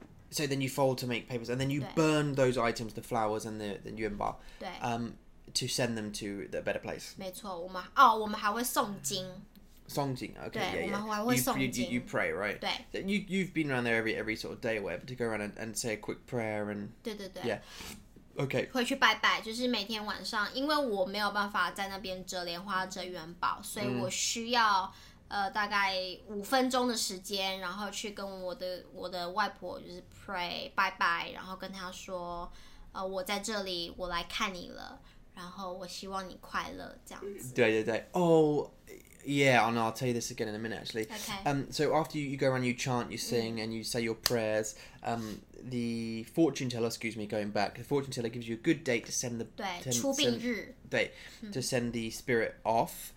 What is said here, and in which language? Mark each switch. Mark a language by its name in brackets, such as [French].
[English] So then you fold to make papers, and then you burn those items, the flowers and the 元宝。 [Chinese] 对。 [English] To send them to the better place. [Chinese] 没错，我们还会诵经。诵经 ，OK. 对， [English] yeah, [Chinese] 我们还会诵经。 [English] You pray, right? [Chinese] 对。 [English] You've been around there every sort of day, or whatever, to go around and say a quick prayer and. [Chinese] 对对对。 [English] Yeah. Okay. [Chinese] 回去拜拜，就是每天晚上，因为我没有办法在那边折莲花、折元宝，所以我需要大概五分钟的时间，然后去跟我的外婆就是 pray 拜拜，然后跟她说，我在这里，我来看你了，然后我希望你快乐这样子。对对对 [English] ，Oh yeah, and I'll tell you this again in a minute actually. Okay. So after you go around, you chant, you sing, and you say your prayers. The fortune teller, excuse me, going back, the fortune teller gives you a good date to send the [Chinese] 初病日 [English] to send the spirit off.